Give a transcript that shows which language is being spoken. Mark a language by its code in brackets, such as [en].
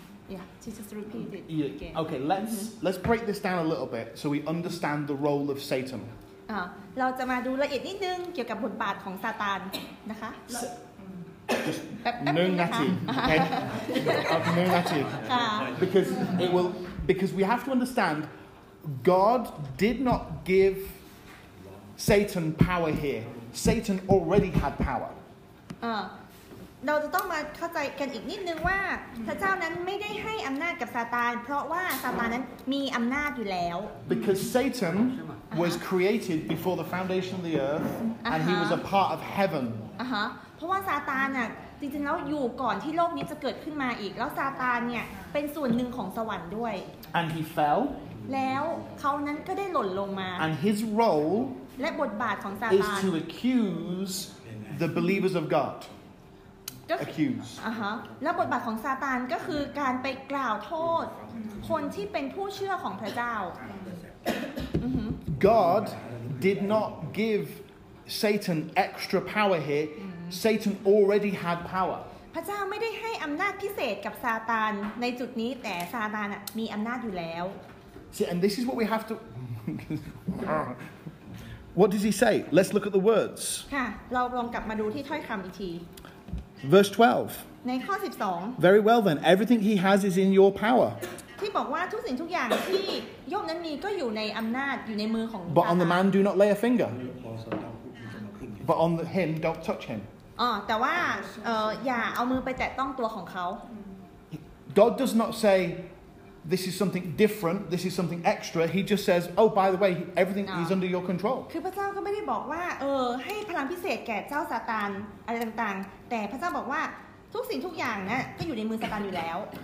[en] Yeah, to just repeat it yeah. again. Okay, let's break this down a little bit so we understand the role of Satan. [th] เราจะมาดูละเอียดนิดนึงเกี่ยวกับบทบาทของซาตานนะคะ หนึ่งนาทีโอเคหนึ่งนาที ค่ะ [en] because it will because we have to understand God did not give Satan power here Satan already had power [th] เราจะต้องมาเข้าใจกันอีกนิดนึงว่าพระเจ้านั้นไม่ได้ให้อำนาจกับซาตานเพราะว่าซาตานนั้นมีอำนาจอยู่แล้ว [en] because SatanWas created before the foundation of the earth, and he was a part of heaven. [th] เพราะว่าซาตานอะจริงๆแล้วอยู่ก่อนที่โลกนี้จะเกิดขึ้นมาอีกแล้วซาตานเนี่ยเป็นส่วนหนึ่งของสวรรค์ด้วย [en] And he fell. [th] แล้วเขานั้นก็ได้หล่นลงมา [en] And his role. [th] และบทบาทของซาตาน [en] is to accuse the believers of God. Accuse. [th] แล้วบทบาทของซาตานก็คือการไปกล่าวโทษคนที่เป็นผู้เชื่อของพระเจ้า [en] God did not give Satan extra power here. Satan already had power. [th] พระเจ้าไม่ได้ให้อำนาจพิเศษกับซาตานในจุดนี้แต่ซาตานมีอำนาจอยู่แล้ว [en] See, and this is what we have to. What does he say? Let's look at the words. [th] ค่ะเราลองกลับมาดูที่ถ้อยคำอีกที [en] Verse 12. [th] ในข้อ 12. [en] Very well then, everything he has is in your power. [th] ที่บอกว่าทุกสิ่งทุกอย่างที่โยมนั้นมีก็อยู่ในอำนาจอยู่ในมือของ [en] But on the man do not lay a finger. But on the him don't touch him. [th] แต่ว่าอย่าเอามือไปแตะต้องตัวของเขา [en] God does not say this is something different, this is something extra. He just says, oh by the way, everything is under your control. [th] คือพระเจ้าก็ไม่ได้บอกว่าให้พลังพิเศษแก่เจ้าซาตานอะไรต่างๆแต่พระเจ้าบอกว่าทุกสิ่งทุกอย่างนะก็อยู่ในมือซาตานอยู่แล้ว